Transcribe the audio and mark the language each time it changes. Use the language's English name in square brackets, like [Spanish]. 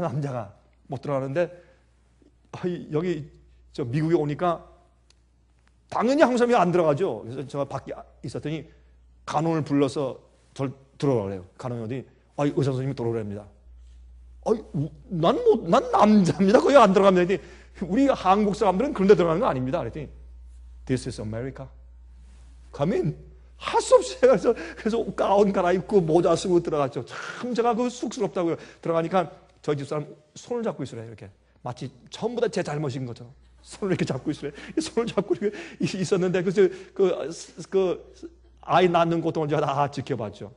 [Korean] 남자가 못 들어가는데, 여기 저 미국에 오니까 당연히 항상 안 들어가죠. 그래서 제가 밖에 있었더니 간호를 불러서 절 들어오래요. 간호원이 어디, 의사 선생님이 들어오랍니다. 난 남자입니다. 거기 안 들어갑니다. 그랬더니, 우리 한국 사람들은 그런데 들어가는 거 아닙니다. 그랬더니, [English] This is America. Come in. [Korean] 할 수 없이 제가 그래서 가운 갈아입고 모자 쓰고 들어갔죠. 참 제가 그 쑥스럽다고요. 들어가니까 저희 집사람 손을 잡고 있으래요. 이렇게. 마치 전부 다 제 잘못인 거죠. 손을 이렇게 잡고 있으래요. 손을 잡고 있었는데, 그래서 그 아이 낳는 고통을 제가 다 지켜봤죠.